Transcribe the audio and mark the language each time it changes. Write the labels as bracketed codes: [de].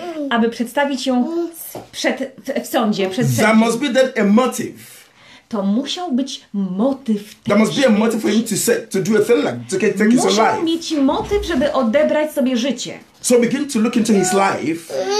[pl] aby przedstawić ją w sądzie, przed sędzią, [en] there must be that a motive. [pl] To musiał być motyw. [en] There must be a motive for him to do a thing like to get take his own life. [pl] Musiał mieć motyw, żeby odebrać sobie życie. [en] So begin to look into his life.